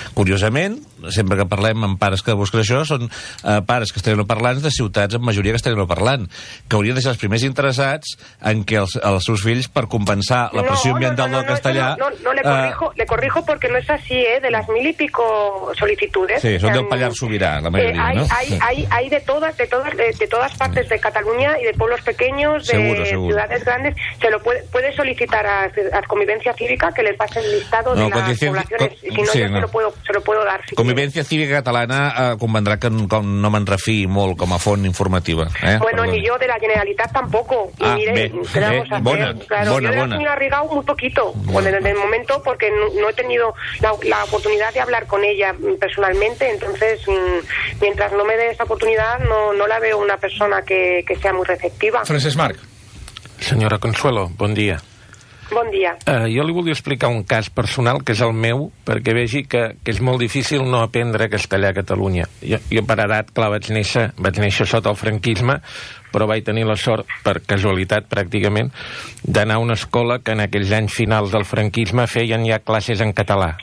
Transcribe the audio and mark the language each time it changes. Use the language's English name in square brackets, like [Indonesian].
[Catalan] Curiosament, sempre que parlem amb pares que busquen això, són pares castellanoparlants de ciutats amb majoria castellanoparlant, que haurien de ser els primers interessats en que els seus fills, per compensar la pressió ambiental del castellà... [Spanish] Le corrijo porque no es así, de las 1,000 y pico solicitudes... [Catalan] Sí, són del Pallars Sobirà, la majoria, no? [Spanish] Hay de todas partes de Cataluña y de pueblos pequeños, de ciudades grandes, se lo puede solicitar a Convivencia Cívica que le pase el listado de las poblaciones, se lo puedo dar. [Catalan] Si Convivencia Cívica Catalana convendrá que no me enrefíe molt com a font informativa. [Spanish] Ni yo de la Generalitat tampoco. [Catalan] Bona. [Spanish] Yo he arrigado muy poquito, desde el momento, porque no he tenido la oportunidad de hablar con ella personalmente, entonces mientras no me dé esa oportunidad no la veo una persona que sea muy receptiva. [Catalan] Francesc Marc. Senyora Consuelo, bon dia. Bon dia. Jo li volia explicar un cas personal, que és el meu, perquè vegi que és molt difícil no aprendre castellà a Catalunya. Jo per edat, clar, vaig néixer sota el franquisme, però vaig tenir la sort, per casualitat pràcticament, d'anar a una escola que en aquells anys finals del franquisme feien ja classes en català.